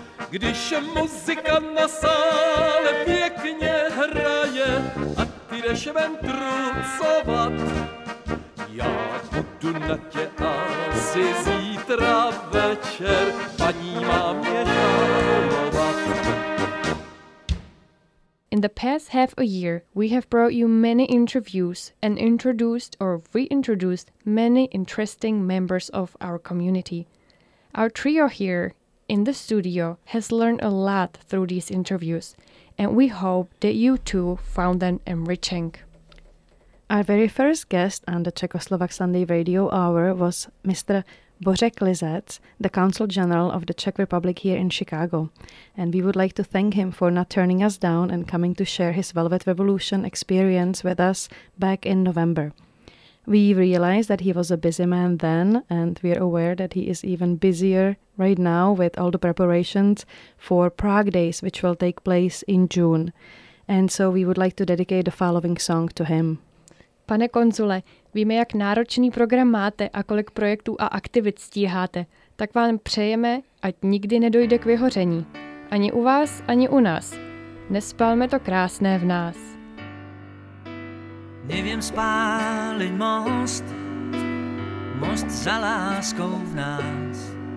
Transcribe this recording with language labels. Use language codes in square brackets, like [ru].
[cs] Když muzika na sále pěkně hraje a ty jdeš ven trucovat, já budu na tě asi zítra večer, paní má mě žádovat. [en] In the past half a year, we have brought you many interviews and introduced or reintroduced many interesting members of our community. Our trio here in the studio has learned a lot through these interviews, and we hope that you too found them enriching. Our very first guest on the Czechoslovak Sunday Radio Hour was Mr. Bořek Lizec, the Consul General of the Czech Republic here in Chicago. And we would like to thank him for not turning us down and coming to share his Velvet Revolution experience with us back in November. We realized that he was a busy man then, and we are aware that he is even busier right now with all the preparations for Prague Days, which will take place in June. And so we would like to dedicate the following song to him. [cs] Pane konzule, víme, jak náročný program máte a kolik projektů a aktivit stíháte, tak vám přejeme, ať nikdy nedojde k vyhoření. Ani u vás, ani u nás. Nespalme to krásné v nás. Nevím spálit most, most za láskou v nás.